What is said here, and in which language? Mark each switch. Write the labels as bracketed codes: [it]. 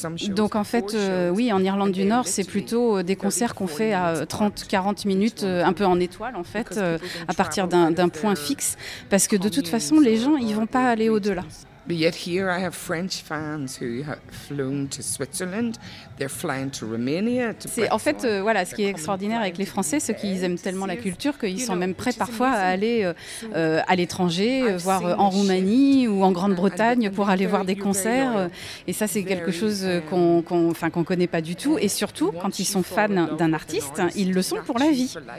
[fr] Donc, en fait, oui, en Irlande du Nord, c'est plutôt des concerts qu'on fait à 30, 40 minutes, un peu en étoile, en fait, à partir d'un point fixe. Parce que de toute façon, les gens, ils ne vont pas aller au-delà. [en] But yet here I have French fans who have flown to Switzerland. They're flying to Romania. [fr] C'est en fait voilà ce qui est extraordinaire avec les Français, ceux qui aiment tellement la culture qu'ils sont même prêts parfois à aller à l'étranger, voire en Roumanie ou en Grande-Bretagne pour aller voir des concerts. Et ça c'est quelque chose qu'on connaît pas du tout. Et surtout quand ils sont fans d'un artiste, ils le sont pour la vie.